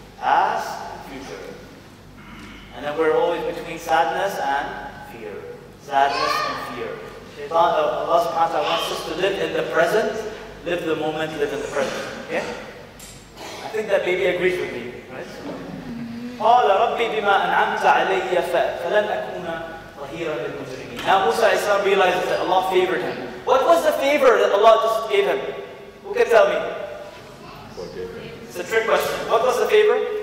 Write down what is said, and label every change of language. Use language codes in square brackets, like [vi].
[en] Past and future. And then we're always between sadness and fear. Sadness and fear. Shaitan, Allah subhanahu wa ta'ala wants us to live in the present. Live the moment, live in the present. Okay? I think that baby agrees with me, right? [ar] قال ربي بما أنعمت علي فلن أكون ظهيرا للمجرمين. [en] Now Musa Islam realizes that Allah favored him. What was the favor that Allah just gave him? Who can tell me? It's a trick question. What was the favor?